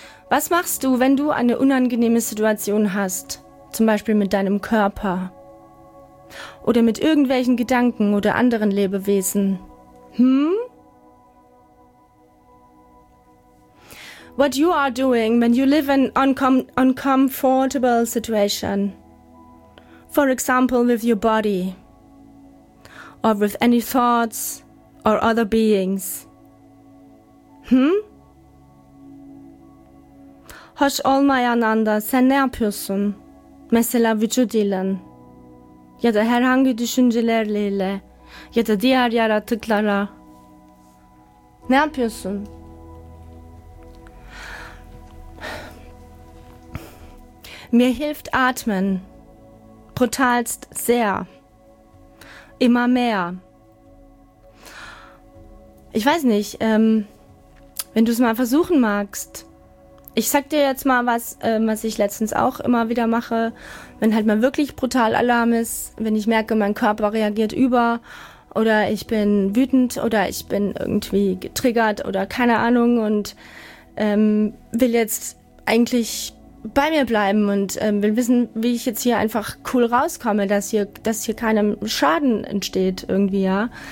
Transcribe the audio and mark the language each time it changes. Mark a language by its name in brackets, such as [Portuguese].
[German] Was machst du, wenn du eine unangenehme Situation hast? Zum Beispiel mit deinem Körper. Oder mit irgendwelchen Gedanken oder anderen Lebewesen. [English] What you are doing when you live in uncomfortable situation, for example with your body, or with any thoughts or other beings. [Turkish] Hoş olmayan anda sen ne yapıyorsun? Mesela vücut ilin ya da herhangi düşüncelerle ya da diğer yaratıklara ne yapıyorsun? [German] Mir hilft Atmen brutalst sehr, immer mehr. Ich weiß nicht, wenn du es mal versuchen magst. Ich sag dir jetzt mal was, was ich letztens auch immer wieder mache, wenn halt mal wirklich brutal Alarm ist, wenn ich merke, mein Körper reagiert über oder ich bin wütend oder ich bin irgendwie getriggert oder keine Ahnung und will jetzt eigentlich bei mir bleiben und will wissen, wie ich jetzt hier einfach cool rauskomme, dass hier keinem Schaden entsteht irgendwie, ja.